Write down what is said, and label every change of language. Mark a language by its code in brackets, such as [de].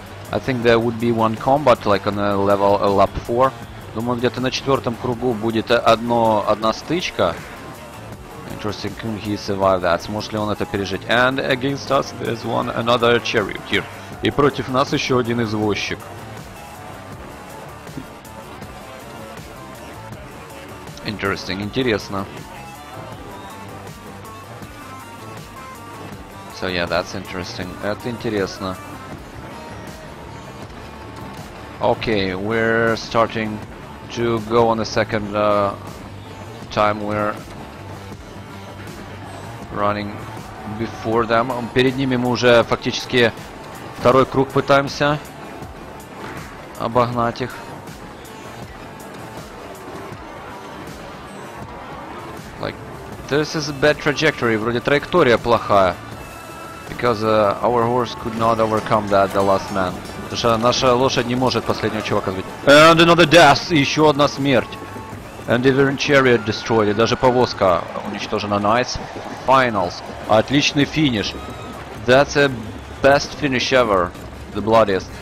[en] I think there would be one combat, like on a level a lap 4. [ru] Думаю, где-то на четвертом кругу будет одна стычка. [en] Interesting, can he survive that? [ru] Сможет ли он это пережить? [en] And against us there's one another charioteer. [ru] И против нас еще один извозчик. [en] Interesting, [ru] интересно. [en] So yeah, that's interesting. [ru] Это интересно. [en] Okay, we're starting to go on the second time. We're running before them. [ru] Перед ними мы уже фактически второй круг пытаемся обогнать их. [en] This is a bad trajectory. [ru] Вроде траектория плохая. [en] Because our horse could not overcome that, the last man. [ru] Потому что наша лошадь не может последнего чувака сбить. [en] And another death. [ru] И еще одна смерть. [en] And even chariot destroyed. [ru] И даже повозка уничтожена. [en] Nice. Finals. [ru] Отличный финиш. [en] That's a best finish ever. The bloodiest.